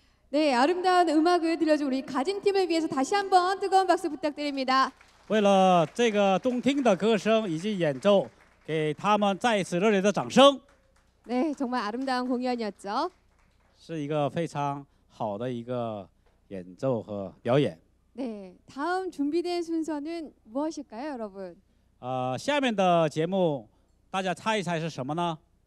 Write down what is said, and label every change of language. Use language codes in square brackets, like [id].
[ko] 네, 아름다운 음악을 들려준 우리 가진팀을 위해서 다시 한번 뜨거운 박수 부탁드립니다. [zh] 为了这个动听的歌声以及演奏，给他们再次热烈的掌声。 [ko] 네, 정말 아름다운 공연이었죠. [zh] 是一个非常好的一个演奏和表演。 [ko] 네, 다음 준비된 순서는 무엇일까요, 여러분? [zh] 下面的节目大家猜一猜是什么呢?